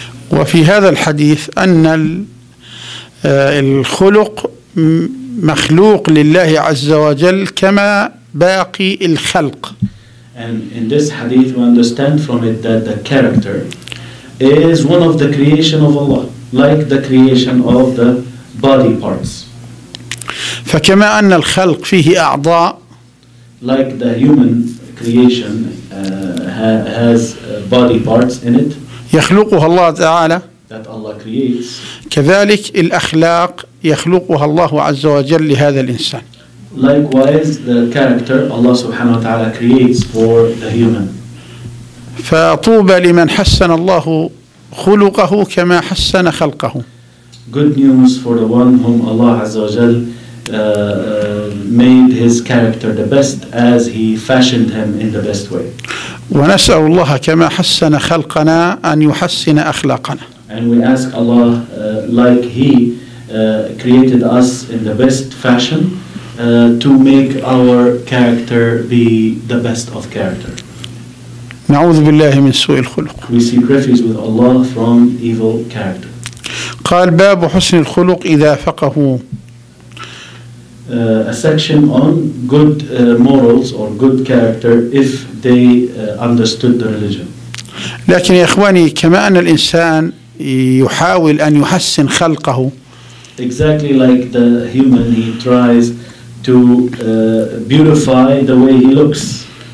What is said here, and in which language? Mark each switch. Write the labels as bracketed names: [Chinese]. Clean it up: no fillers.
[Arabic] وفي هذا الحديث أن الخلق مخلوق لله عز وجل كما باقي الخلق. [English] And in this hadith, we understand from it that the character is one of the creation of Allah, like the creation of the body parts. [Arabic] فكما أن الخلق فيه أعضاء [English] like the human creation has body parts in it [Arabic] يخلقها الله تعالى [English] that Allah creates [Arabic] كذلك الأخلاق يخلقها الله عز وجل لهذا الإنسان [English] Likewise, the character Allah subhanahu wa ta'ala creates for the human. [Arabic] فطوبى لمن حسن الله خلقه كما حسن خلقه. [English] Good news for the one whom Allah Azza wa Jal made his character the best as he fashioned him in the best way. [Arabic] ونسأل الله كما حسن خلقنا أن يحسن أخلاقنا. [English] And we ask Allah like he created us in the best fashion to make our character be the best of character. [Arabic] نعوذ بالله من سوء الخلق. [English] We seek refuge with Allah from evil character. [Arabic] قال باب حسن الخلق إذا فقه. [English] A section on good morals or good character if they understood the religion. [Arabic] لكن يا إخواني كما أن الإنسان يحاول أن يحسن خلقه. [English] Exactly like the human, he tries to beautify the way he looks.